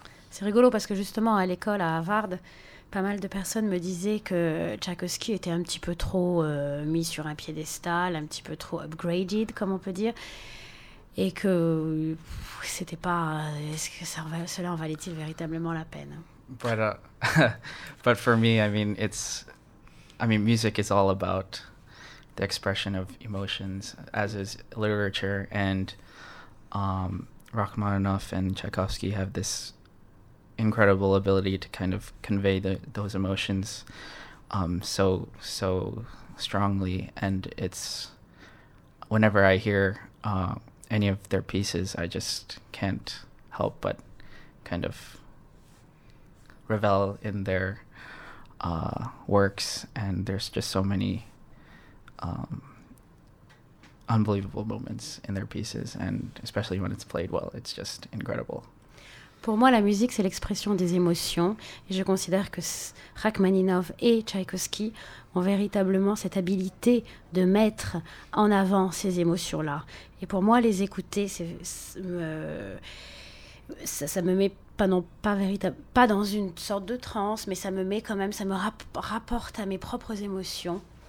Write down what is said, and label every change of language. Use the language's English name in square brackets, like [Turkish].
[French] C'est rigolo parce que justement à l'école à Harvard, pas mal de personnes me disaient que Tchaïkovski était un petit peu trop mis sur un piédestal, un petit peu trop upgraded, comme on peut dire. Et que c'était pas. Est-ce que cela en valait-il véritablement la peine? [English] But for me, I mean, music is all about the expression of emotions, as is literature. And Rachmaninoff and Tchaikovsky have this incredible ability to kind of convey those emotions so strongly. And it's whenever I hear any of their pieces, I just can't help but kind of revel in their works. And there's just so many unbelievable moments in their pieces, and especially when it's played well, it's just incredible. [French] Pour moi, la musique, c'est l'expression des émotions, et je considère que Rachmaninov et Tchaïkovski ont véritablement cette habilité de mettre en avant ces émotions-là. Et pour moi, les écouter, ça me met pas dans une sorte de transe, mais ça me met quand même, ça me rapporte à mes propres émotions.